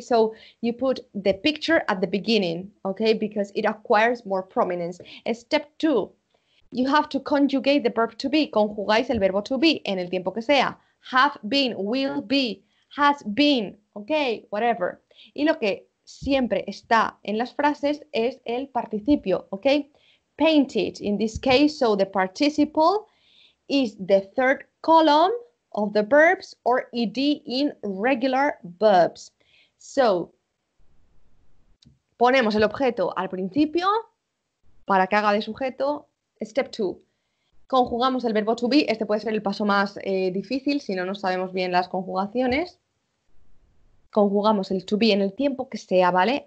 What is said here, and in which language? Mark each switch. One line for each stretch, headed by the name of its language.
English: So you put the picture at the beginning, okay, because it acquires more prominence. Step two, you have to conjugate the verb to be, conjugáis el verbo to be en el tiempo que sea. Have been, will be, has been, okay, whatever.
Spanish: Y lo que siempre está en las frases es el participio, okay?
English: Painted, in this case, so the participle is the third column of the verbs or ed in regular verbs.
Spanish: So, ponemos el objeto al principio para que haga de sujeto. Step two, conjugamos el verbo to be. Este puede ser el paso más difícil si no nos sabemos bien las conjugaciones. Conjugamos el to be en el tiempo que sea, ¿vale?